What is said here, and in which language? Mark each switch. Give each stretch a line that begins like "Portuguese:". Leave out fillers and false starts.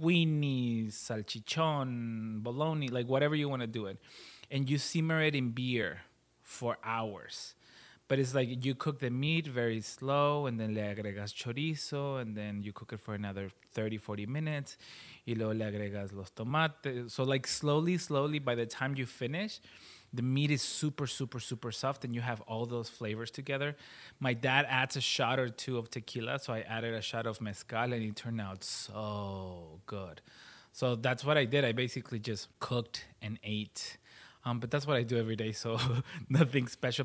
English: Weenies, salchichon, bologna, like whatever you want to do it. And you simmer it in beer for hours. But it's like you cook the meat very slow, and then le agregas chorizo, and then you cook it for another 30, 40 minutes.
Spanish: Y luego le agregas los tomates.
English: So like slowly, slowly, by the time you finish, the meat is super, super, super soft, and you have all those flavors together. My dad adds a shot or two of tequila, so I added a shot of mezcal, and it turned out so good. So that's what I did. I basically just cooked and ate. But that's what I do every day, so nothing special.